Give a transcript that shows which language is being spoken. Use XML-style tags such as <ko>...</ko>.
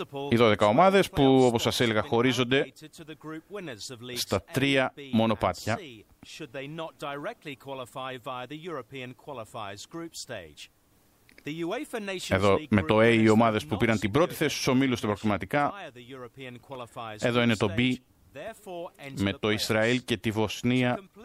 <el>Οι 12 ομάδες που, όπως σας έλεγα, χωρίζονται στα 3 μονοπάτια.</el> <en>Should they not directly qualify via the European qualifiers group stage?</en> <el>Εδώ με το A οι ομάδες που πήραν την πρώτη θέση στους ομίλους στα προκριματικά. Εδώ είναι το B με το Ισραήλ και τη Βοσνία.</el>